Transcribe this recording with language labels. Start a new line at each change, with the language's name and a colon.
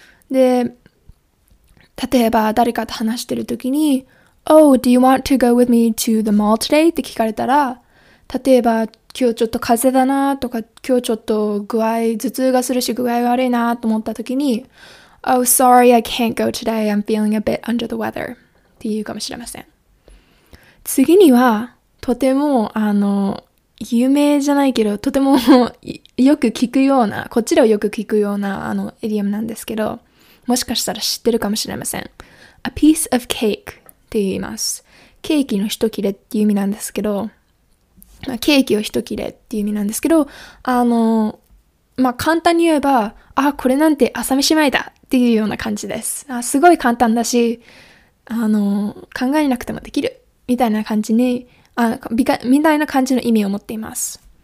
Japanese: で、例えば誰かと話してるときに、
English: Oh, do you want to go with me to the mall today?
Japanese: って聞かれたら、例えば今日ちょっと風邪だなとか、今日ちょっと頭痛がするし具合悪いなと思ったときに、
English: Oh, sorry, I can't go today. I'm feeling a bit under the weather.
Japanese: って言うかもしれません。次には、とても有名じゃないけど、とてもよく聞くような、こちらをよく聞くようなエリアムなんですけど、もしかしたら知ってるかもしれません。 A piece of cake って言います。ケーキの一切れっていう意味なんですけど、ケーキを一切れっていう意味なんですけど、簡単に言えば、あ、これなんて朝飯前だっていうような感じです。あ、すごい簡単だし、考えなくてもできるみたいな感じに、みたいな感じの意味を持っています。